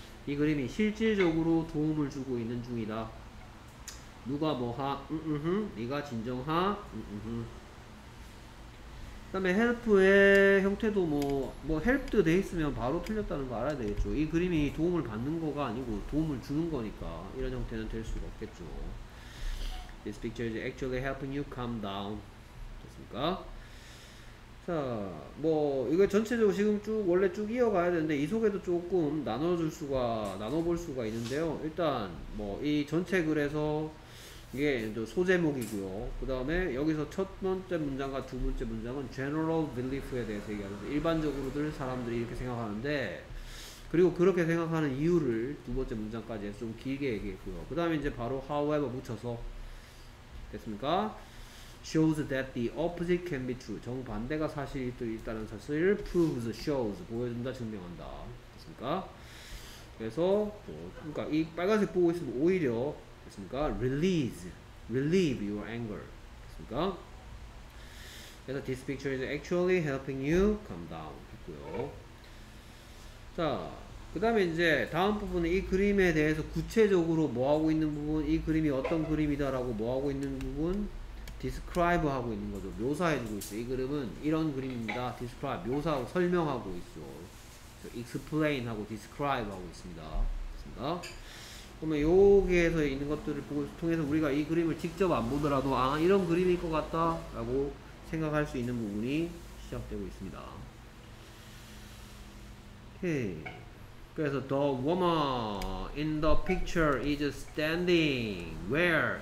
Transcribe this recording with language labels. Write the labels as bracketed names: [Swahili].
[Korean] 이 그림이 실질적으로 도움을 주고 있는 중이다. 누가 뭐하? 네가 진정하? 그다음에 help의 형태도 뭐 helped 돼 있으면 바로 틀렸다는 거 알아야 되겠죠. 이 그림이 도움을 받는 거가 아니고 도움을 주는 거니까 이런 형태는 될 수가 없겠죠. [English] This picture is actually helping you calm down. [Korean] 자, 뭐 이거 전체적으로 지금 쭉 원래 쭉 이어가야 되는데 이 속에도 조금 나눠볼 수가 있는데요. 일단 뭐 이 전체 글에서 이게 소제목이고요. 그 다음에 여기서 첫 번째 문장과 두 번째 문장은 general belief에 대해서 얘기하면서 일반적으로들 사람들이 이렇게 생각하는데 그리고 그렇게 생각하는 이유를 두 번째 문장까지 좀 길게 얘기했고요. 그 다음에 이제 바로 however 붙여서 됐습니까? [English] shows that the opposite can be true. [Korean] 정반대가 사실이 또 있다는 사실을 proves, shows, 보여준다, 증명한다. 됐습니까? 그래서, 뭐, 그러니까 이 빨간색 보고 있으면 오히려, 됐습니까? [English] relieve your anger. [Korean] 됐습니까? 그래서 [English] this picture is actually helping you calm down. [Korean] 했고요. 자, 그 다음에 이제 다음 부분은 이 그림에 대해서 구체적으로 뭐 하고 있는 부분, 이 그림이 어떤 그림이다 라고 뭐 하고 있는 부분 describe 하고 있는 거죠. 묘사해 주고 있어요. 이 그림은 이런 그림입니다. describe, 묘사하고 설명하고 있어. explain 하고 describe 하고 있습니다. 됐습니다. 그러면 여기에서 있는 것들을 통해서 우리가 이 그림을 직접 안 보더라도 아 이런 그림일 것 같다 라고 생각할 수 있는 부분이 시작되고 있습니다. 오케이. 그래서 [English] the woman in the picture is standing where?